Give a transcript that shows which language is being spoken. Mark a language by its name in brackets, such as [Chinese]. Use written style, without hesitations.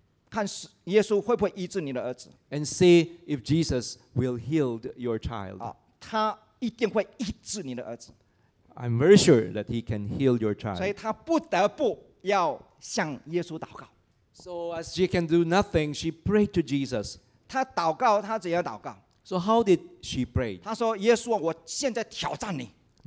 [Chinese] 看耶稣会不会医治你的儿子。 [English] And see if Jesus will heal your child. [Chinese] 他一定会医治你的儿子。 [English] I'm very sure that he can heal your child. [Chinese] 所以他不得不要向耶稣祷告。 [English] So as she can do nothing, she prayed to Jesus. [Chinese] 他祷告，他怎样祷告？ [English] So how did she pray? [Chinese] 她说：“耶稣，我现在挑战你。”